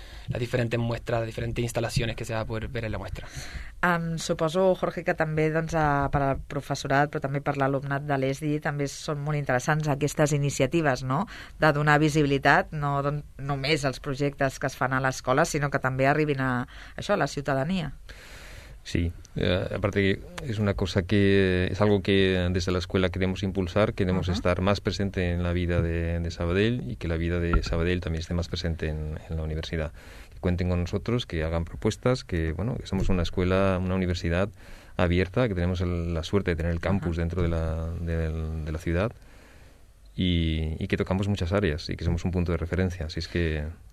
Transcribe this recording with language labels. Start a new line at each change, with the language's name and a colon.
Spanish: las diferentes muestras, las diferentes instalaciones que se va a poder ver en la muestra.
Catalan: Suposo, Jorge, que també doncs, per al professorat, però també per l'alumnat de l'ESDI, també són molt interessants aquestes iniciatives, no?, de donar visibilitat, no només als projectes que es fan a l'escola, sinó que també arribin a això, a la ciutadania.
Spanish: Sí, aparte es una cosa que es algo que desde la escuela queremos impulsar, queremos estar más presente en la vida de Sabadell y que la vida de Sabadell también esté más presente en la universidad. Que cuenten con nosotros, que hagan propuestas, que bueno, que somos una escuela, una universidad abierta, que tenemos la suerte de tener el campus dentro de la ciudad y que tocamos muchas áreas y que somos un punto de referencia, así es que